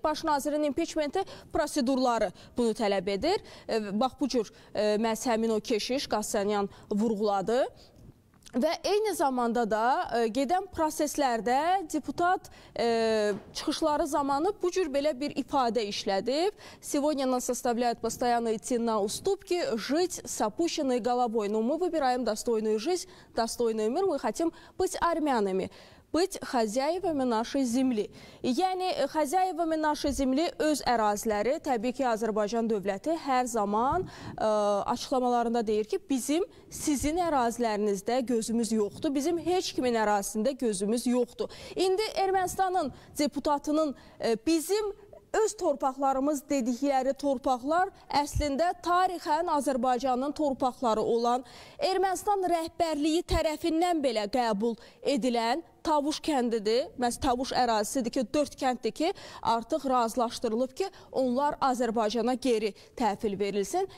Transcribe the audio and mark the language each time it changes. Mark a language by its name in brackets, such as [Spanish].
[Azerbaijani] Başnazirin impeachmenti prosedurları bunu tələb edir. Bax bu cür məhz həmin o keşiş Qassanyan vurğuladı. Və eyni zamanda da gedən proseslərdə deputat çıxışları zamanı bu cür belə bir ifadə işlədib. [Russian] Сегодня нас составляет постоянно идти на уступки, жить с опущенной головой, но мы выбираем достойную жизнь, достойный мир, мы хотим быть армянами. Быть хозяевами нашей земли. [Azerbaijani] Yəni, [Russian] хозяевами нашей земли [Azerbaijani] öz əraziləri, təbii ki, Azərbaycan dövləti hər zaman açıqlamalarında deyir ki, bizim sizin ərazilərinizdə gözümüz yoxdur, bizim heç kimin ərazisində gözümüz yoxdur. İndi Ermənistanın deputatının bizim öz torpaqlarımız dedikləri torpaqlar əslində tarixən Azərbaycanın torpaqları olan Ermənistan rəhbərliyi tərəfindən belə qəbul edilən Tavuş kəndidir, məhz Tavuş ərazisidir ki, 4 kənddir ki, artıq razılaşdırılıb ki, onlar Azərbaycana geri təhvil verilsin.